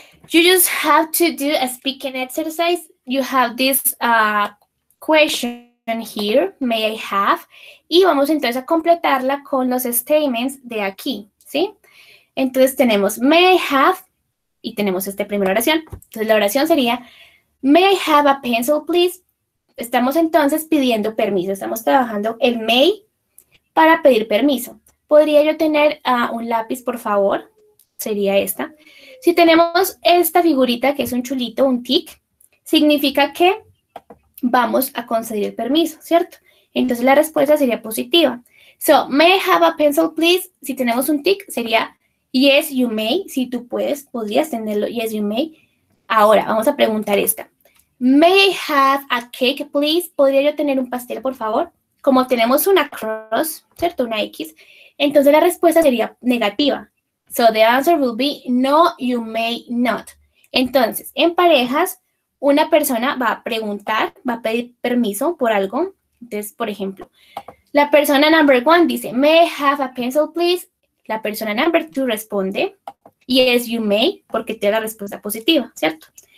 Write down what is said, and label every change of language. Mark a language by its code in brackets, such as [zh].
[en] You just have to do a speaking exercise. You have this question here, may I have? [es] Y vamos entonces a completarla con los statements de aquí, ¿sí? Entonces tenemos [en] may I have, [es] y tenemos esta primera oración. Entonces la oración sería, [en] may I have a pencil, please? [es] Estamos entonces pidiendo permiso. Estamos trabajando el may para pedir permiso. ¿Podría yo tener un lápiz, por favor? Sería esta. Si tenemos esta figurita que es un chulito, un tic, significa que vamos a conceder el permiso, ¿cierto? Entonces la respuesta sería positiva. [en] So, may I have a pencil, please? [es] Si tenemos un tic, sería [en] yes, you may. [es] Si tú puedes, podrías tenerlo, yes, you may. Ahora, vamos a preguntar esta. [en] May I have a cake, please? [es] ¿Podría yo tener un pastel, por favor? Como tenemos una cross, ¿cierto? Una X. Entonces la respuesta sería negativa. [en] So the answer will be no, you may not. [es] Entonces, en parejas, una persona va a preguntar, va a pedir permiso por algo. Entonces, por ejemplo, la persona number one dice, [en] may I have a pencil, please? [es] La persona number two responde, [en] yes, you may, [es] porque tiene la respuesta positiva, ¿cierto?